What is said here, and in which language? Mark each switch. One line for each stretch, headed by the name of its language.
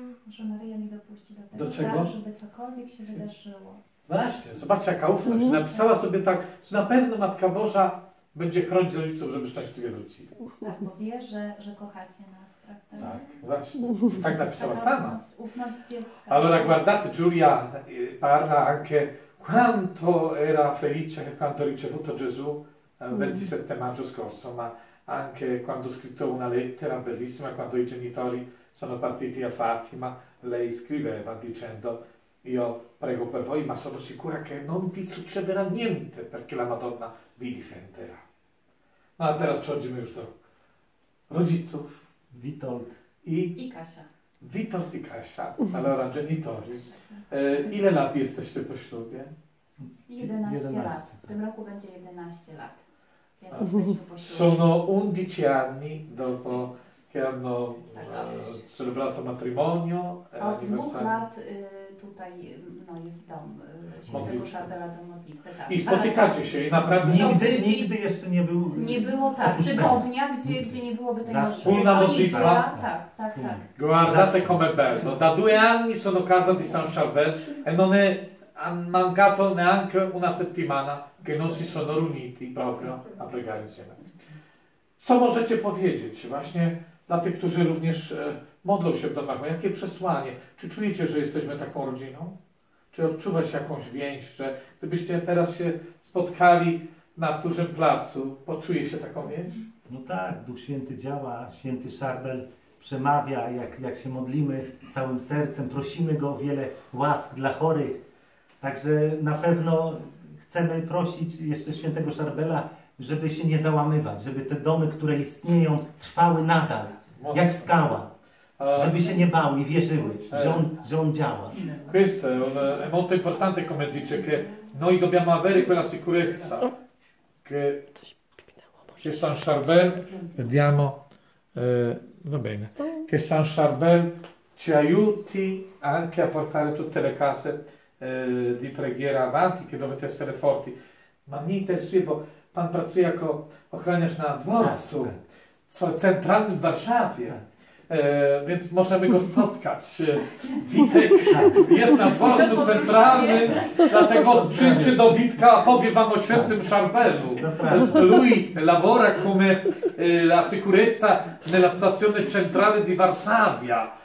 Polish: że Maryja mi dopuści do tego, do czego? Tak, żeby cokolwiek się wydarzyło. Właśnie, zobaczcie jaka ufność. Napisała sobie tak, że na pewno Matka Boża będzie chronić rodziców, żeby szczęśliwie wrócili. Tak, bo wie, że kochacie nas. Tak, właśnie. Tak napisała taka sama. Ufność dziecka.
Italian: Allora guardate, Giulia parla anche quanto era felice quanto ricevuto Gesù il 27 maggio scorso, ma anche quando ha scritto una lettera bellissima quando i genitori sono partiti a Fatima, lei scriveva dicendo io prego per voi, ma sono sicura che non vi succederà niente perché la Madonna vi difenderà.
Polish: No, a teraz przechodzimy już do rodziców. Witold i Kasia.
Italian: Witold i Kasia, allora genitori.
Polish: Ile lat jesteście po ślubie? 11 lat. W tym roku będzie 11 lat.
Italian: Sono 11 anni dopo che hanno celebrato matrimonio.
Polish: Od 2 lat tutaj no, jest dom świętego Charbela do modlitwy. Tak. I spotykacie się i naprawdę... Nigdy jeszcze nie było. Nie było tak. Tygodnia, gdzie nie byłoby tej modlitwy. Wspólna modlitwa. Tak.
Italian: Guardate come bello. Da 2 anni sono casa di San Charbel e non è mancato neanche una settimana che non si sono riuniti proprio a pregare insieme.
Polish: Co możecie powiedzieć właśnie dla tych, którzy również modlą się w domach? Jakie przesłanie? Czy czujecie, że jesteśmy taką rodziną? Czy odczuwasz jakąś więź, że gdybyście teraz się spotkali na dużym placu, poczuje się taką więź? No tak, Duch Święty działa, Święty Szarbel przemawia, jak się modlimy całym sercem, prosimy Go o wiele łask dla chorych. Także na pewno chcemy prosić jeszcze Świętego Szarbela, żeby się nie załamywać, żeby te domy, które istnieją, trwały nadal, mocno, jak skała. Żeby się nie bały i wierzyły, że on działa.
Italian: Questo è molto importante, come dice, che noi dobbiamo avere quella sicurezza che San Charbel, vediamo, va bene, che San Charbel ci aiuti anche a portare tutte le case di preghiera avanti, che dovete essere forti. Ma mi interessa,
Polish: bo pan pracuje jako ochroniarz na dworcu centralnym w Warszawie. Więc możemy go spotkać. Witek jest na dworcu centralnym, dlatego przyjdźcie do Witka, powie wam o świętym Szarbelu.
Italian: Lui lavora come la sicurezza nella stazione centrale di Varsavia.